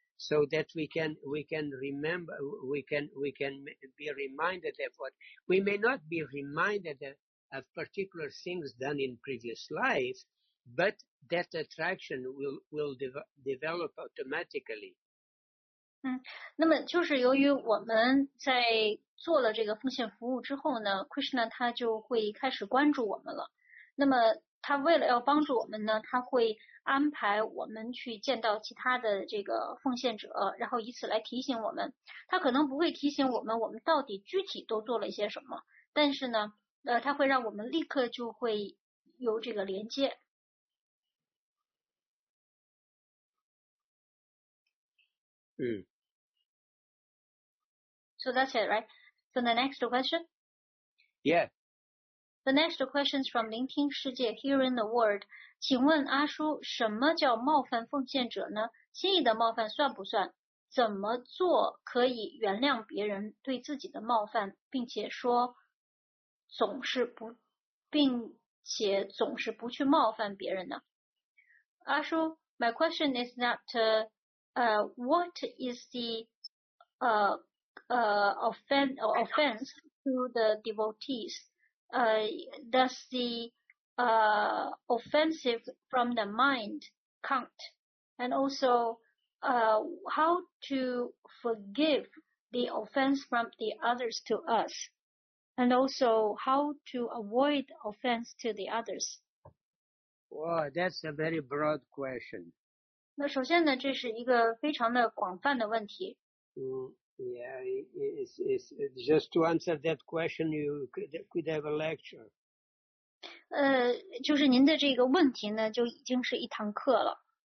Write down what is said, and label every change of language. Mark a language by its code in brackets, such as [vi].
[en] So that we can remember, we can be reminded of what. We may not be reminded of particular things done in previous life, but that attraction will develop automatically. [zh] 嗯，那么就是由于我们在做了这个奉献服务之后呢 ，Krishna 他就会开始关注我们了。那么他为了要帮助我们呢，他会安排我们去见到其他的这个奉献者，然后以此来提醒我们。他可能不会提醒我们我们到底具体都做了一些什么，但是呢，他会让我们立刻就会有这个连接。 Mm. [en] So that's it, right? So the next question? Yeah. The next question is from 聆听世界 Hearing the World. [zh] 请问阿叔，什么叫冒犯奉献者呢？心意的冒犯算不算？怎么做可以原谅别人对自己的冒犯，并且说总是不，并且总是不去冒犯别人呢？ [en] 阿叔 ，My question is that. What is the offense to the devotees? Does the offensive from the mind count? And also, how to forgive the offense from the others to us? And also, how to avoid offense to the others? Well, that's a very broad question. [zh] 那首先呢，这是一个非常的广泛的问题。 [en] 嗯、yeah, it's just to answer that question, you could have a lecture. [zh] 就是您的这个问题呢，就已经是一堂课了。